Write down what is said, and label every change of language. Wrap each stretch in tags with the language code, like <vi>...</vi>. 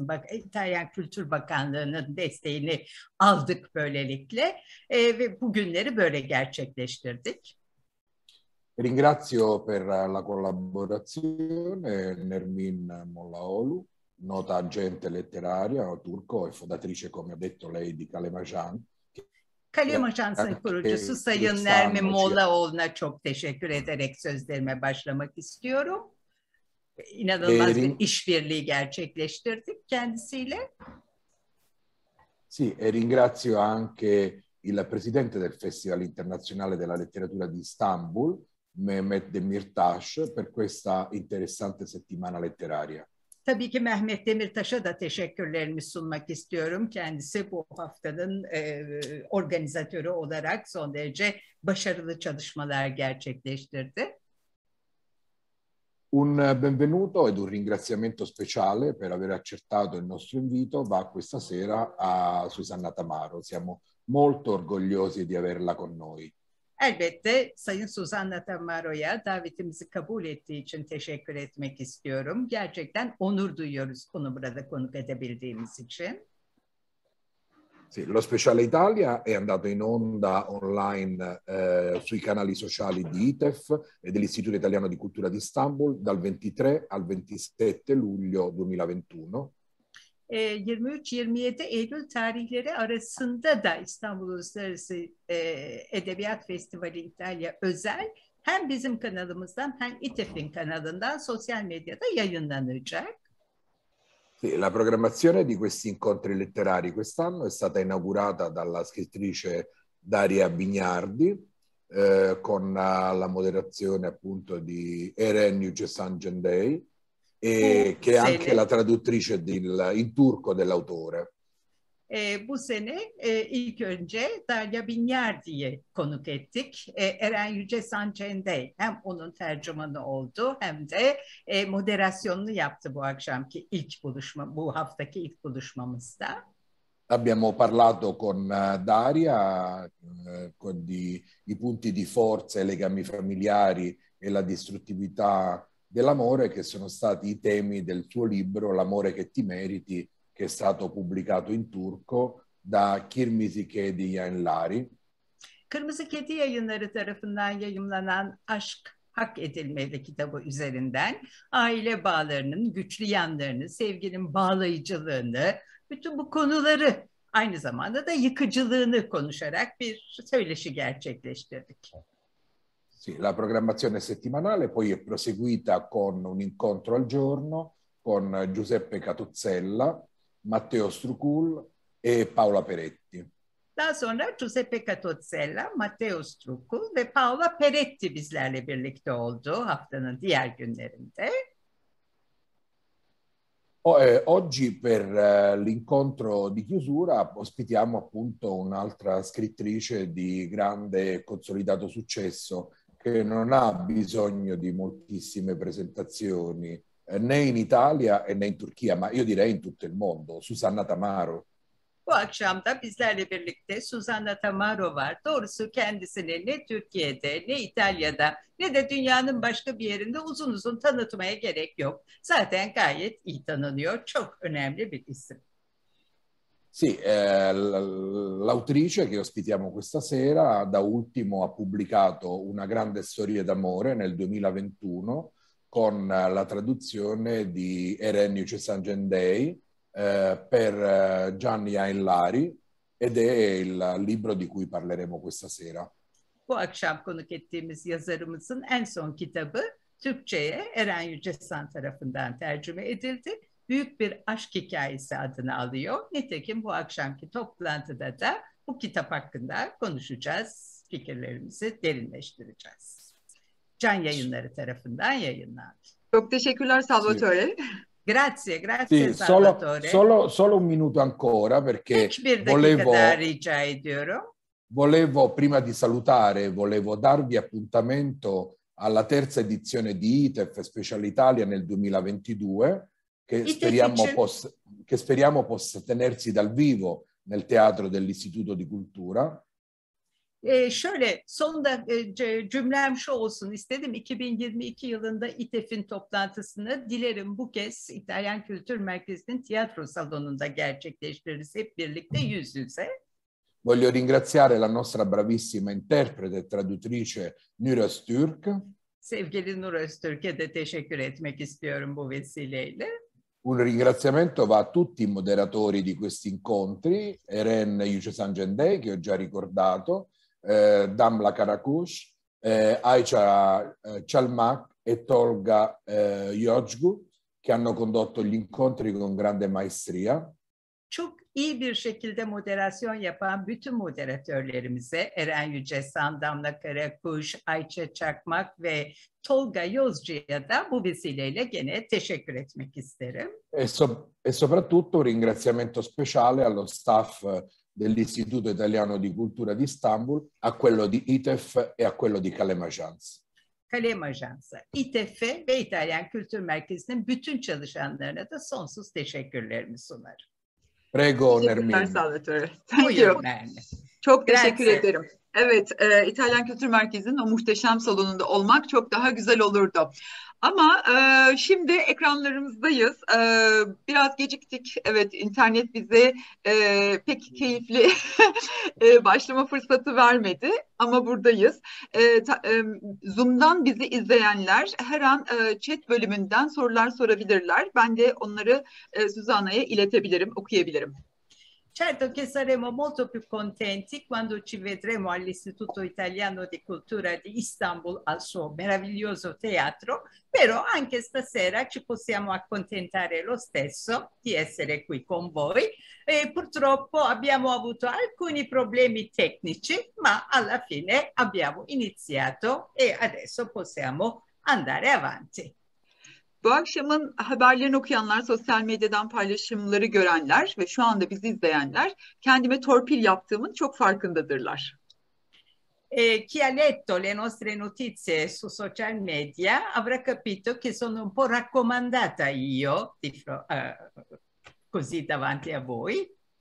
<tr>İtalyan Kültür Bakanlığı'nın desteğini aldık böylelikle ve bugünleri böyle gerçekleştirdik.</tr> <it>Ringrazio per la collaborazione Nermin Moğluoğlu, nota agente letteraria turco e fondatrice, come ha detto lei, di Kalem Ajan.</it> <tr>Kalem Ajansı'nın kurucusu Sayın Nermin Moğluoğlu'na çok teşekkür ederek sözlerime başlamak istiyorum. İnanılmaz bir işbirliği gerçekleştirdik kendisiyle.</tr> <it>Sì, e ringrazio anche il presidente del Festival Internazionale della Letteratura di Istanbul, Mehmet Demirtaş, per questa interessante settimana letteraria.</it> <tr>Tabii ki Mehmet Demirtaş'a da teşekkürlerimi sunmak istiyorum. Kendisi bu haftanın organizatörü olarak son derece başarılı çalışmalar gerçekleştirdi.</tr> <it>Un benvenuto ed un ringraziamento speciale per aver accettato il nostro invito va questa sera a Susanna Tamaro. Siamo molto orgogliosi di averla con noi.</it> <tr>Elbette Sayın Susanna Tamaro'ya davetimizi kabul ettiği için teşekkür etmek istiyorum. Gerçekten onur duyuyoruz onu burada konuk edebildiğimiz için.</tr> <it>Sì, lo speciale Italia è andato in onda online sui canali sociali di ITEF e dell'Istituto Italiano di Cultura di Istanbul dal 23 al 27 luglio 2021.</it> <tr>23-27 Eylül tarihleri arasında da İstanbul Uluslararası Edebiyat Festivali İtalya Özel hem bizim kanalımızdan hem İTEF'in kanalından sosyal medyada yayınlanacak.</tr> <it>Sì, la programmazione di questi incontri letterari quest'anno è stata inaugurata dalla scrittrice Daria Bignardi, con la moderazione appunto di Eren Yücesangenday, che è anche la traduttrice in turco dell'autore.</it> <tr>Bu sene ilk önce Daria Bignardi'yi konuk ettik. Eren Yücesangenday hem onun tercümanı oldu hem de moderasyonunu yaptı bu akşamki ilk buluşma, bu haftaki ilk buluşmamızda.</tr> <it>Abbiamo parlato con Daria i punti di forza, i legami familiari e la distruttività dell'amore che sono stati i temi del suo libro L'amore che ti meriti, che è stato pubblicato in turco da Kırmızı Kedi Yayınları.</it> <tr>Kırmızı Kedi Yayınları tarafından yayımlanan Aşk Hak Edilmeli kitabı üzerinden aile bağlarının güçlü yanlarını, sevginin bağlayıcılığını, bütün bu konuları aynı zamanda da yıkıcılığını konuşarak bir söyleşi gerçekleştirdik.</tr> <it>Sì, la programmazione settimanale poi è proseguita con un incontro al giorno con Giuseppe Catuzzella, Matteo Strucul e Paola Peretti.</it> <tr>Daha sonra Giuseppe Catuzzella, Matteo Strucul ve Paola Peretti bizlerle birlikte oldu haftanın diğer günlerinde.</tr> <it>Oggi per l'incontro di chiusura ospitiamo appunto un'altra scrittrice di grande e consolidato successo che non ha bisogno di moltissime presentazioni né in Italia e né in Turchia, ma io direi in tutto il mondo, Susanna Tamaro.</it> <tr>Bu akşam da bizlerle birlikte Susanna Tamaro var. Doğrusu kendisini ne Türkiye'de, ne İtalya'da, ne de dünyanın başka bir yerinde uzun uzun tanıtmaya gerek yok. Zaten gayet iyi tanınıyor. Çok önemli bir isim.</tr> <it>Sì, l'autrice che ospitiamo questa sera da ultimo ha pubblicato Una grande storia d'amore nel 2021 con la traduzione di Eren Yücesangenday per Can Yayınları ed è il libro di cui parleremo questa sera.</it> <tr>Bu akşam konuk ettiğimiz yazarımızın en son kitabı Türkçe'ye Eren Yücesan tarafından tercüme edildi. Büyük bir aşk hikayesi adını alıyor. Nitekim bu akşamki toplantıda da bu kitap hakkında konuşacağız, fikirlerimizi derinleştireceğiz. Can Yayınları tarafından yayınlandı. Çok teşekkürler Salvatore.</tr> <it>Sì. Grazie, grazie sì, Salvatore. Solo un minuto ancora perché volevo</it> <tr>rica ediyorum.</tr> <it>Volevo prima di salutare, volevo darvi appuntamento alla terza edizione di ITEF Special Italia nel 2022 che ITEF speriamo için. che speriamo possa tenersi dal vivo nel teatro dell'Istituto di Cultura.</it> <tr>Şöyle son da cümlem şu olsun istedim. 2022 yılında İTEF'in toplantısını dilerim bu kez İtalyan Kültür Merkezi'nin tiyatro salonunda gerçekleştiririz hep birlikte yüz yüze.</tr> <it>Voglio ringraziare la nostra bravissima interprete traduttrice Nur Öztürk.</it> <tr>Sevgili Nur Öztürk'e de teşekkür etmek istiyorum bu vesileyle.</tr> <it>Un ringraziamento va a tutti i moderatori di questi incontri, Eren Yücesangenday che ho già ricordato, Damla Karakuş, Ayça Çalmak e Tolga Yocgu che hanno condotto gli incontri con grande maestria.</it> <tr>Çok iyi bir şekilde moderasyon yapan bütün moderatörlerimize Eren Yücesan, Damla Karakuş, Ayça Çakmak ve Tolga Yocgu'ya da bu vesileyle gene teşekkür etmek isterim.</tr> <it>E soprattutto un ringraziamento speciale allo staff dell'Istituto Italiano di Cultura di Istanbul, a quello di ITEF e a quello di Kalem Ajans.</it> <tr>Kalem Ajans, ITEF ve İtalyan Kültür Merkezi'nin bütün çalışanlarına da sonsuz teşekkürlerimi sunarım.</tr> <it>Prego, Nermin.</it> <tr>Teşekkürler, Salvatore. Çok teşekkür ederim. Evet, İtalyan Kültür Merkezi'nin o muhteşem salonunda olmak çok daha güzel olurdu. Ama şimdi ekranlarımızdayız. Biraz geciktik. Evet, internet bize pek keyifli başlama fırsatı vermedi. Ama buradayız. Zoom'dan bizi izleyenler her an chat bölümünden sorular sorabilirler. Ben de onları Suzana'ya iletebilirim, okuyabilirim.</tr> <it>Certo che saremo molto più contenti quando ci vedremo all'Istituto Italiano di Cultura di Istanbul al suo meraviglioso teatro, però anche stasera ci possiamo accontentare lo stesso di essere qui con voi. E purtroppo abbiamo avuto alcuni problemi tecnici, ma alla fine abbiamo iniziato e adesso possiamo andare avanti.</it> <tr>Bu akşamın haberlerini okuyanlar, sosyal medyadan paylaşımları görenler ve şu anda bizi izleyenler kendime torpil yaptığımın çok farkındadırlar.</tr> <it>Chi ha letto le nostre notizie su social media avrà capito che sono un po' raccomandata io così davanti a voi.</it>